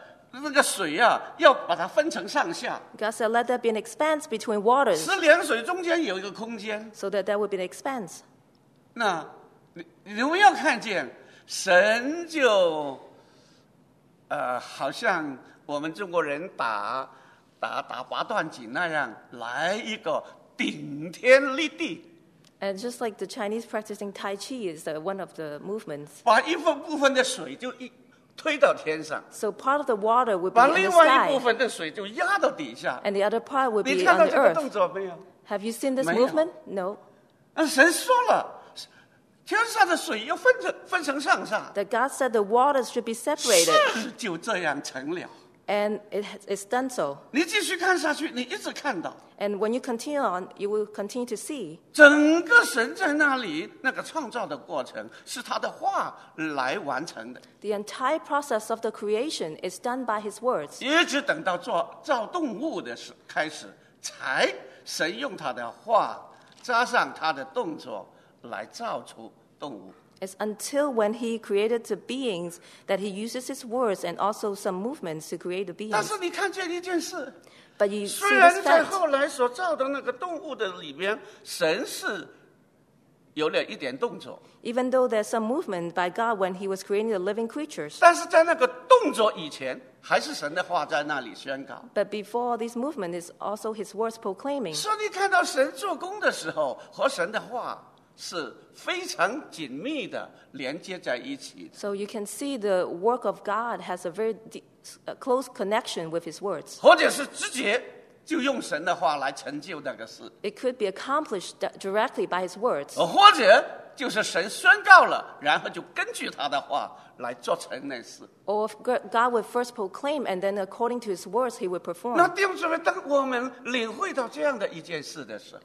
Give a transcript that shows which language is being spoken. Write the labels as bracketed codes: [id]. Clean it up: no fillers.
[zh] 那个水啊, 要把它分成上下, [en] God said, let there be an expanse between waters, [zh] 使两水中间有一个空间, [en] so that there would be an expanse. [zh] 那, 你们要看见, 神就, 好像我们中国人打八段锦那样, 来一个顶天立地, [en] and just like the Chinese practicing Tai Chi is one of the movements, [zh] 把一部分的水就一, 推到天上, [en] so part of the water would be in the sky, [zh] 把另外一部分的水就压到底下, [en] and the other part would be on the earth. Have you seen this [zh] 没有, [en] movement? No. [zh] 神说了, 天上的水又分成上下, [en] that God said the waters should be separated. [zh] 是就这样成了, [en] and it's done so. [zh] 你继续看下去, 你一直看到, [en] and when you continue on, you will continue to see [zh] 整个神在那里, 那个创造的过程, 是他的话来完成的, [en] the entire process of the creation is done by his words. [zh] 一直等到做, 造动物的开始, 才神用他的话, 加上他的动作来造出动物。 [en] It's until when he created the beings that he uses his words and also some movements to create the beings. [zh] 但是你看见一件事, [en] but you see this fact. [zh] 虽然在后来所造的那个动物的里面, 神是有了一点动作, [en] even though there's some movement by God when he was creating the living creatures. [zh] 但是在那个动作以前, 还是神的话在那里宣告, [en] but before all these movements, it's also his words proclaiming. [zh] 所以你看到神做工的时候, 和神的话, 是非常紧密的连接在一起的。 [en] So you can see the work of God has a very close connection with his words. [zh] 或者是直接就用神的话来成就那个事。 [en] It could be accomplished directly by his words. [zh] 或者就是神宣告了, 然后就根据他的话来做成那事。 [en] Or if God would first proclaim and then according to his words he would perform. [zh] 那弟兄姊妹, 当我们领会到这样的一件事的时候,